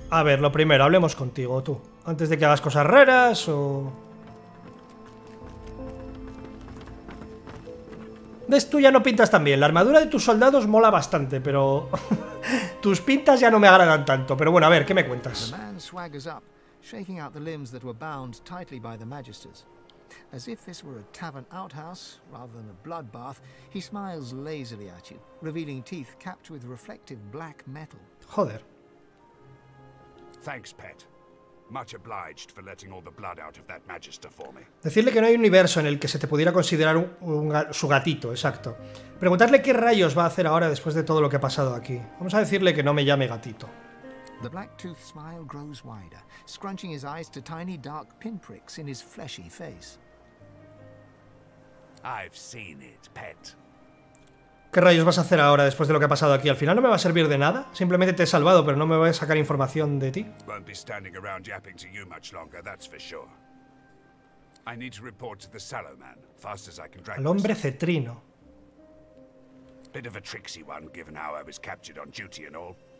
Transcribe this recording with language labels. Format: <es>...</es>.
<es>A ver, lo primero, hablemos contigo, tú. Antes de que hagas cosas raras o... ¿Ves? Tú ya no pintas tan bien. La armadura de tus soldados mola bastante, pero... tus pintas ya no me agradan tanto, pero bueno, a ver, ¿qué me cuentas? El hombre</es> <en>swagga up, shaking out the limbs that were bound tightly by the magisters. As if this were a tavern outhouse rather than a bloodbath, he smiles lazily at you, revealing teeth capped with reflective black metal.</en> <es>Joder.</es> <en>Thanks, pet. Much obliged for letting all the blood out of that magister for me.</en> <es>Decirle que no hay universo en el que se te pudiera considerar su gatito, exacto. Preguntarle qué rayos va a hacer ahora después de todo lo que ha pasado aquí. Vamos a decirle que no me llame gatito.</es> <en>The black tooth smile grows wider, scrunching his eyes to tiny dark pinpricks in his fleshy face. I've seen it, pet.</en> <es>¿Qué rayos vas a hacer ahora después de lo que ha pasado aquí? ¿Al final no me va a servir de nada? Simplemente te he salvado, pero no me voy a sacar información de ti.</es> <en>Won't be standing around yapping to you much longer, that's for sure. I need to report to the Sallow Man, fast as I can drag.</en> <es>Al hombre cetrino.</es> <en>Bit of a tricksy one, given how I was captured on duty and all.</en>